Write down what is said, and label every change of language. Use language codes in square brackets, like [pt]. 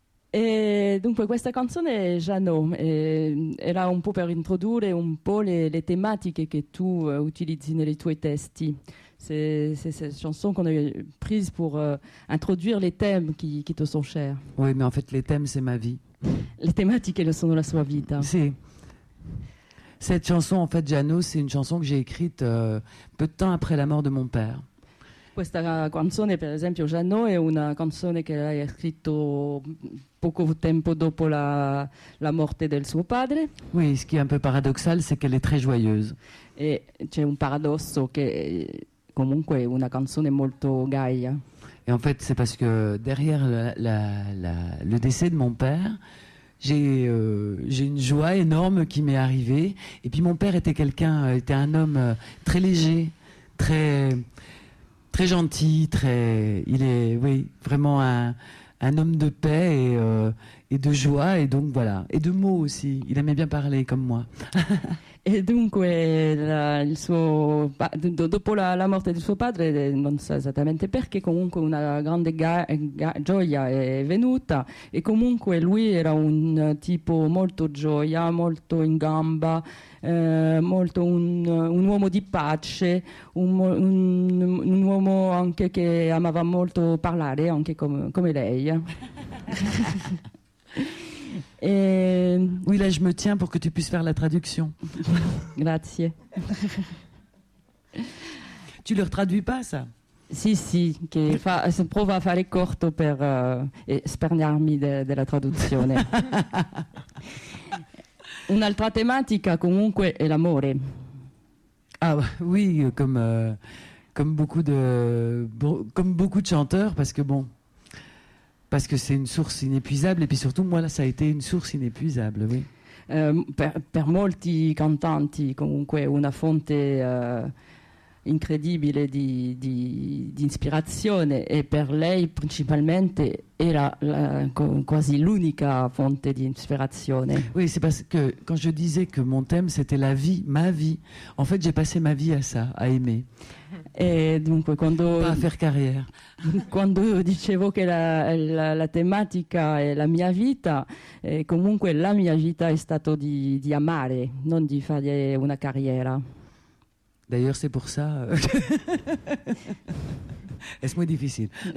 [it] E dunque questa canzone è Jeannot, era un po' per introdurre un po' le tematiche che tu utilizzi nei tuoi testi. [fr] C'est cette chanson qu'on a prise pour introduire les thèmes qui te sont chers. Oui, mais en fait les thèmes c'est ma vie. Les thématiques elles sont de la [it] sua vita. Si. [fr] Cette chanson en fait Jeannot, c'est une chanson que j'ai écrite peu de temps après la mort de mon père. [it] Questa canzone, per esempio, Jeannot, è una canzone che lei ha scritto poco tempo dopo la morte del suo padre. [fr] Oui, ce qui est un peu paradoxal, c'est qu'elle est très joyeuse. [it] E c'è un paradosso che comunque è una canzone molto gaia. [fr] Et en fait, c'est parce que derrière le décès de mon père, j'ai une joie énorme qui m'est arrivée. Et puis mon père était quelqu'un, était un homme très léger, très... très gentil, très, il est, oui, vraiment un homme de paix et de joie et donc voilà et de mots aussi. Il aimait bien parler comme moi. [it] Et donc, il suo, dopo la morte di suo padre, non so esattamente perché, comunque una grande gioia è venuta. E comunque lui era un tipo molto gioia, molto in gamba, molto un uomo di pace, un uomo anche che amava molto parlare, anche come lei. [fr] Oui, là je me tiens pour que tu puisses faire la traduction. [it] Grazie. [fr] Tu le retraduis pas ça? [it] Si, si, che fa, se provo a fare corto per spernarmi della traduzione. Un'altra tematica comunque è l'amore. [fr] Ah oui, comme beaucoup de chanteurs, parce que bon. Parce que c'est une source inépuisable, et puis surtout, moi, là, ça a été une source inépuisable, oui. [it] Per molti cantanti, comunque, una fonte incredibile di ispirazione, e per lei, principalmente, era quasi l'unica fonte di ispirazione. [fr] Oui, c'est parce que, quand je disais que mon thème, c'était la vie, ma vie, en fait, j'ai passé ma vie à ça, à aimer. [it] Et donc, quando, [fr] pas à faire carrière. Quand je disais que la thématique est la [it] mia vita, et comunque la mia vita è stato di amare, non di fare una carriera. [fr] D'ailleurs, c'est pour ça. [it] È molto difficile.